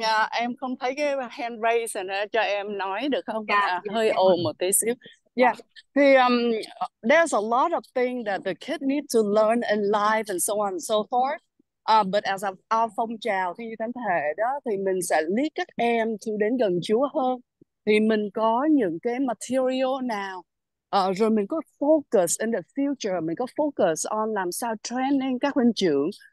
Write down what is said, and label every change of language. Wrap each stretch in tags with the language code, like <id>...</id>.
<vi>Em không thấy cái hand raise nữa, cho em nói được không? Hơi ồn một tí xíu. Yeah.</vi> <en>Thì there's a lot of things that the kid need to learn in life and so on and so forth. But as a</en> <vi>phong trào thi thánh thể đó, thì mình sẽ lead các em to đến gần Chúa hơn. Thì mình có những cái material nào. Rồi mình có</vi> <en>focus in the future,</en> <vi>mình có focus on làm sao training các huynh trưởng.</vi>